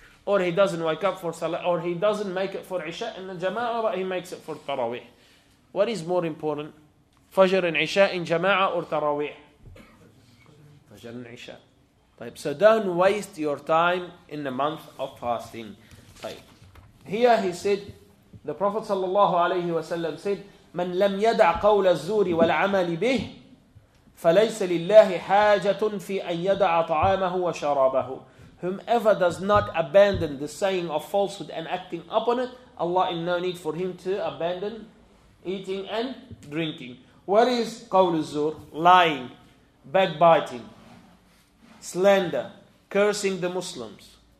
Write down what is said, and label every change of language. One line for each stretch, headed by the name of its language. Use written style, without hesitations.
English: Or he doesn't wake up for Salat, or he doesn't make it for Isha in the Jama'ah, but he makes it for Taraweeh. What is more important? Fajr and Isha in Jama'ah or Taraweeh? Fajr and Isha. طيب. So don't waste your time in the month of fasting. طيب. Here he said, the Prophet sallallahu alayhi wa sallam said, من لم يدع قول الزور والعمل به فليس لله حاجة في أن يدع طعامه وشرابه. Whomever does not abandon the saying of falsehood and acting upon it, Allah in no need for him to abandon eating and drinking. What is
Arabic: قول الزور?
English: Lying, backbiting, slander, cursing the Muslims.